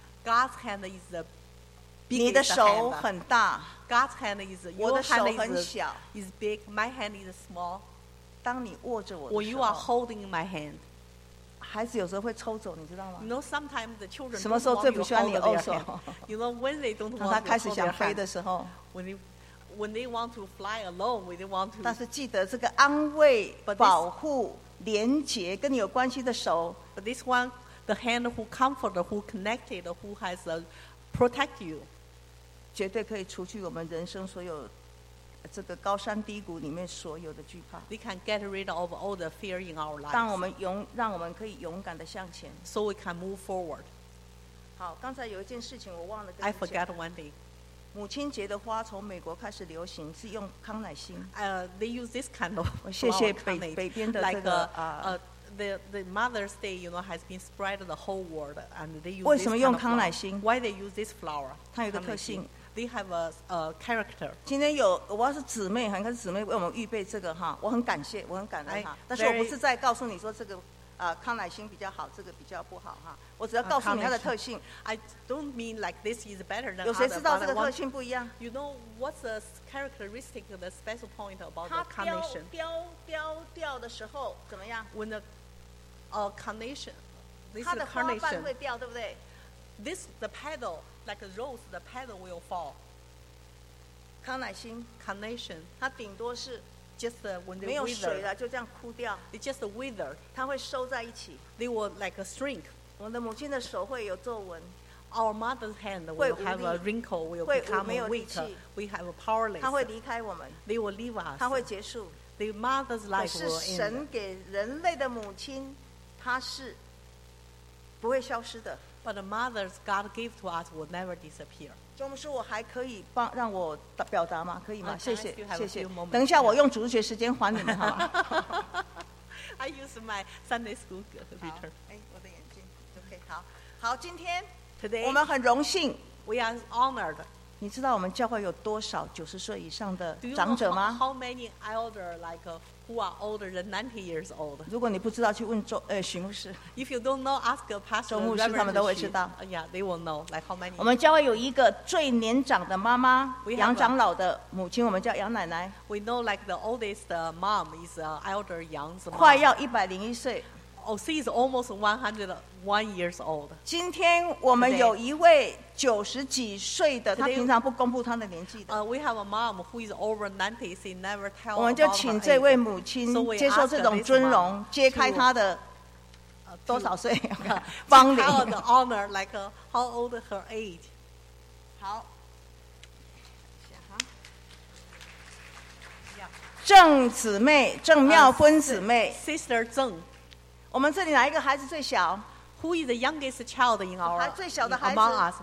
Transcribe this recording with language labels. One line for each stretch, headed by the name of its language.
English: God's hand is the biggest hand.
Chinese: 你的手很大。
English: God's hand is your hand is big. My hand is small.
Chinese: 当你握着我
English: When you are holding my hand,
Chinese: 孩子有时候会抽走，你知道吗？
English: You know, sometimes the children
Chinese: 什么时候最不喜欢你握手？
English: You know, when they don't want to hold their hand.
Chinese: 当他开始想飞的时候，
English: when they want to fly alone, when they want to.
Chinese: 但是记得这个安慰、保护、连结跟你有关系的手。
English: But this one, the hand who comforted, who connected, who has protect you.
Chinese: 绝对可以除去我们人生所有这个高山低谷里面所有的惧怕。
English: We can get rid of all the fear in our lives.
Chinese: 让我们可以勇敢的向前。
English: So we can move forward.
Chinese: 好，刚才有一件事情我忘了跟你
English: 讲。I forgot one thing.
Chinese: 母亲节的花从美国开始流行，是用康乃馨。
English: They use this kind of.
Chinese: 谢谢北边的这个
English: The Mother's Day, you know, has been spread the whole world, and they use this.
Chinese: 为什么用康乃馨？
English: Why they use this flower?
Chinese: 它有个特性。
English: They have a character.
Chinese: 今天有我要是姊妹，很可能是姊妹为我们预备这个哈，我很感谢，我很感恩哈。但是我不是在告诉你说这个康乃馨比较好，这个比较不好哈。我只要告诉你它的特性。
English: I don't mean like this is better than.
Chinese: 有谁知道这个特性不一样？
English: You know what's the characteristic, the special point about the carnation?
Chinese: 它凋掉的时候怎么样？
English: When the carnation, this
Chinese: 它的花瓣会掉，对不对？
English: This the petal, like a rose, the petal will fall.
Chinese: 康乃馨
English: carnation,
Chinese: 它顶多是
English: just when they
Chinese: 没有水了
English: wither,
Chinese: 就这样枯掉
English: they just wither
Chinese: 它会收在一起
English: they will like a shrink
Chinese: 我们的母亲的手会有皱纹
English: our mother's hand will have a wrinkle will become weak we have a powerless
Chinese: 它会离开我们
English: they will leave us
Chinese: 它会结束
English: the mother's life will end
Chinese: 可是神给人类的母亲它是不会消失的
English: but the mother's God gave to us will never disappear
Chinese: 钟牧师，我还可以帮让我表达吗？可以吗？
English: Okay,
Chinese: 谢谢，谢谢。等一下，我用主日学时间还你们，好吗
English: ？I use my Sunday school return.
Chinese: 哎，我的眼睛 ，OK， 好，好，今天
English: ，Today，
Chinese: 我们很荣幸
English: ，We are honored。
Chinese: 你知道我们教会有多少九十岁以上的长者吗
English: ？How many elder like who are older than 90 years old？
Chinese: 如果你不知道，去问周徐牧师。
English: If you don't know, ask a pastor.
Chinese: 周牧师他们都会知道。
English: Yeah, they will know. Like how many？
Chinese: 我们教会有一个最年长的妈妈，杨长老的母亲，我们叫杨奶奶。
English: We know like the oldest mom is elder Yang's mom.
Chinese: 快要101岁。
English: Oh, she is almost 101 years old.
Chinese: 今天我们有一位九十几岁的，她平常不公布她的年纪的。
English: We have a mom who is over 90. She never tell.
Chinese: 我们就请这位母亲接受这种尊荣，揭开她的多少岁？芳龄。
English: Tell the honor, like how old her age.
Chinese: 好。郑姊妹，郑妙芬姊妹。
English: Sister 郑。
Chinese: 我们这里哪一个孩子最小
English: ？Who is the youngest child in our among us?